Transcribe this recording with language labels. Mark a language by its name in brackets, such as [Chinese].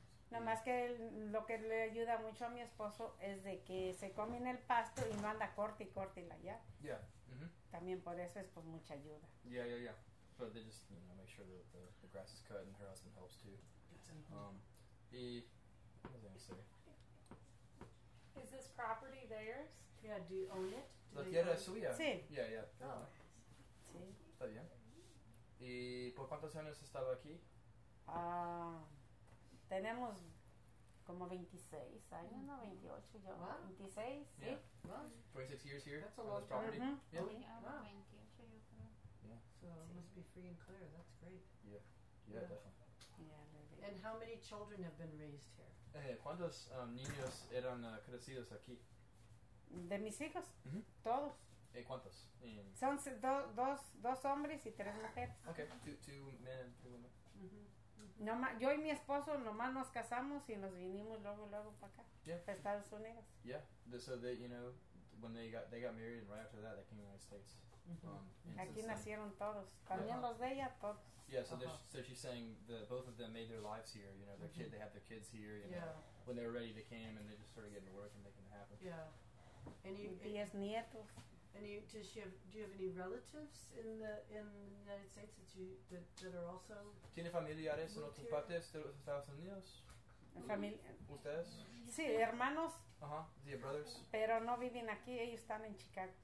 [Spanish] No, más que lo que le ayuda mucho a mi esposo es de que se come en el pasto y no anda corte y corte y la ya. [English] Yeah. Mm-hmm. [Spanish] También por eso es pues mucha ayuda. [English] Yeah. So they just, you know, make sure that the grass is cut and her husband helps too. Mm-hmm. Y, what was I going to say? Is this property theirs? Yeah, do you own it? Do [Spanish] la tierra es suya. Sí. [English] Yeah. Oh. Yeah. [Spanish] Sí. Está bien. ¿Y por cuántos años estaba aquí? Tenemos como 26 años, ¿no? 28, yo. [English] Wow. [Spanish] 26, [English] yeah. [Spanish] Sí. [English] Wow. 26 years here. That's a lot of property. Mm-hmm. Yeah. Wow. [Spanish] 28, yo creo. [English] Yeah. So [Spanish] sí. [English] It must be free and clear. That's great. Yeah, definitely. Yeah, maybe. And how many children have been raised here? [Spanish] ¿Cuántos niños eran crecidos aquí? ¿De mis hijos? Mm-hmm. Todos. ¿Cuántos? Son dos hombres y tres mujeres. [English] Okay, two men and two women. Mm-hmm. [Spanish] No, yo y mi esposo nomás nos casamos y nos vinimos luego para acá, [English] yeah. [Spanish] Para Estados Unidos. [English] Yeah, so they, you know, when they got married and right after that they came to the United States. [Spanish] Mm-hmm. Aquí [English] then, [Spanish] nacieron todos, también [English] yeah. [Spanish] Los de ella todos. [English] Yeah, so uh-huh. So she's saying that both of them made their lives here, you know, their mm-hmm. Kid, they have their kids here, you yeah. Know, when they were ready they came and they just started getting to work and making it happen. Yeah, and you, [Spanish] y es nietos. [English] And you, does she have, do you have any relatives in the United States that are also? [Spanish] ¿Tiene familiares en otras partes de los Estados Unidos? ¿Ustedes? Sí, hermanos. [English] Ajá, the brothers. [Spanish] Pero no viven aquí, ellos están en Chicago.